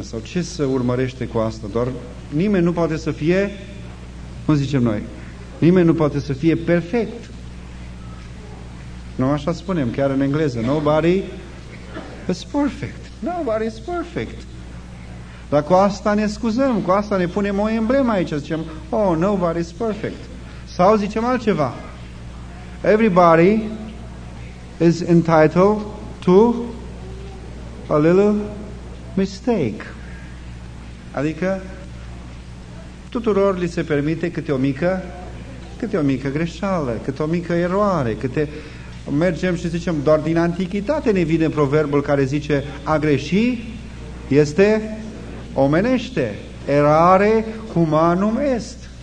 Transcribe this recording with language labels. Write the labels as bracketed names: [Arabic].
[Romanian] Sau ce se urmărește cu asta? Doar nimeni nu poate să fie, cum zicem noi, nimeni nu poate să fie perfect. Nu așa spunem, chiar în engleză. [English] Nobody is perfect. Nobody is perfect. [Romanian] Dar cu asta ne scuzăm, cu asta ne punem o emblemă aici, zicem, [English] oh, nobody is perfect. [Romanian] Sau zicem altceva. [English] Everybody is entitled to a little mistake. [Romanian] Adică tuturor li se permite câte o mică greșeală, câte o mică eroare, câte mergem și zicem, doar din antichitate ne vine proverbul care zice a greși este omenește, [Latin] erare humanum est.